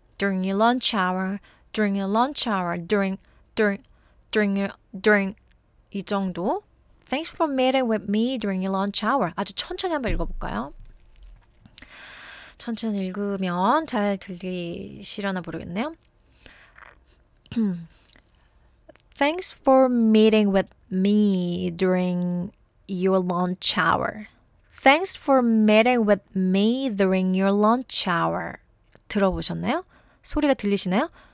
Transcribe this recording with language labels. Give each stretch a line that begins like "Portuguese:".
English: During your lunch hour, during your lunch hour, during
Korean: 이 정도.
English: Thanks for meeting with me during your lunch hour.
Korean: 아주 천천히 한번 읽어볼까요? 천천히 읽으면 잘 들리시려나 모르겠네요.
English: Thanks for meeting with me during your lunch hour. Thanks for meeting with me during your lunch hour.
Korean: 들어보셨나요? 소리가 들리시나요?